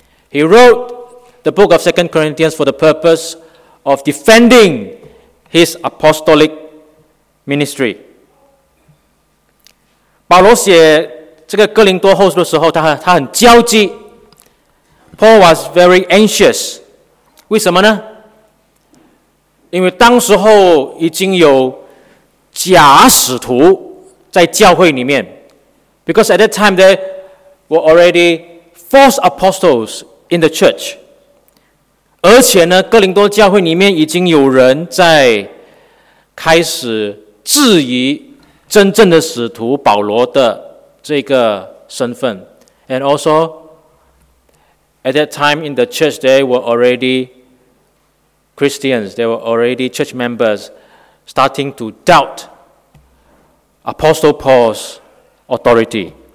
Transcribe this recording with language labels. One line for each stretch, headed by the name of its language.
English: He wrote the book of 2 Corinthians for the purpose of defending his apostolic ministry.
Chinese: 保罗写这个哥林多后书的时候，他很焦急。
English: Paul was very anxious.
Chinese: 为什么呢？因为当时候已经有假使徒在教会里面。
English: Because at that time there were already false apostles in the church.
Chinese: 而且呢，哥林多教会里面已经有人在开始质疑真正的使徒保罗的这个身份。
English: And also at that time in the church there were already Christians, there were already church members starting to doubt Apostle Paul's authority.